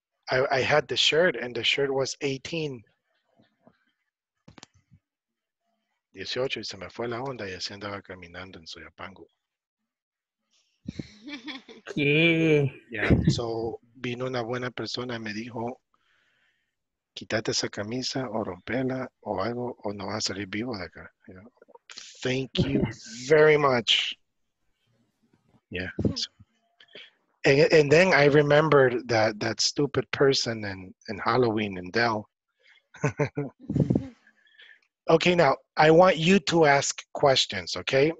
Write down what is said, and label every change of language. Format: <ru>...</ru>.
<en>I had the shirt, and the shirt was 18.</en> <es>18, y se me fue la onda, y así andaba caminando en Soyapango. Yeah. So, vino una buena persona y me dijo, quítate esa camisa, o rompela, o algo, o no vas a salir vivo de acá.</es> <en>Yeah. Thank you very much. Yeah. So, and then I remembered that stupid person in Halloween in Dell. Okay, now I want you to ask questions, okay?</en>